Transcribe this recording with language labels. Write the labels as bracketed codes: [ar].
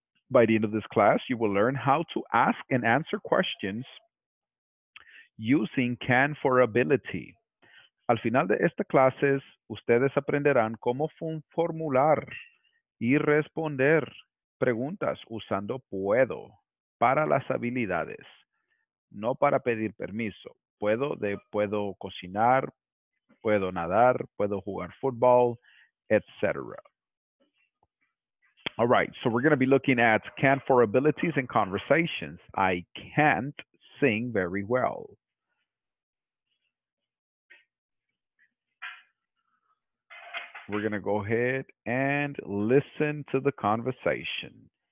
[en] By the end of this class, you will learn how to ask and answer questions using can for ability. [es] al final de estas clases, ustedes aprenderán cómo formular y responder preguntas usando puedo para las habilidades, no para pedir permiso. Puedo de puedo cocinar, puedo nadar, puedo jugar fútbol, etc. [en] All right, so we're going to be looking at can for abilities and conversations. I can't sing very well. We're going to go ahead and listen to the conversation.